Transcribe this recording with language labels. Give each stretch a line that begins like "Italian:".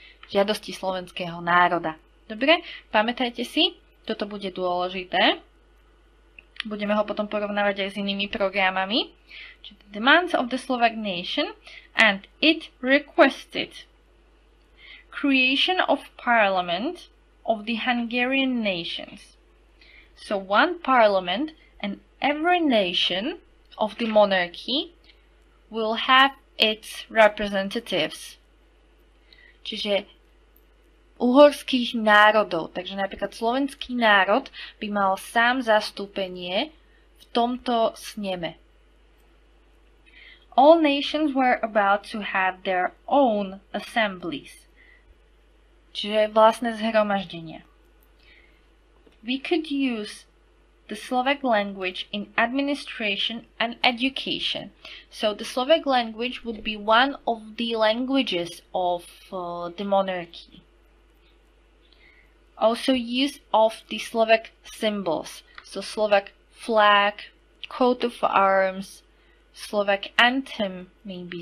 Slovak: Žiadosti slovenského národa. Dobre, pamätajte si, toto bude dôležité. Budeme ho potom porovnávať aj s inými programami.
English: The Demands of the Slovak Nation, and it requested creation of parliament of the Hungarian nations. So one parliament and every nation of the monarchy will have its representatives.
Slovak: Čiže uhorských národov. Takže napríklad slovenský národ by mal sám zastúpenie v tomto sneme.
English: All nations were about to have their own assemblies.
Slovak: Čiže vlastné zhromaždenie.
English: We could use the Slovak language in administration and education. So the Slovak language would be one of the languages of the monarchy. Also use of the Slovak symbols. So Slovak flag, coat of arms, Slovak anthem maybe.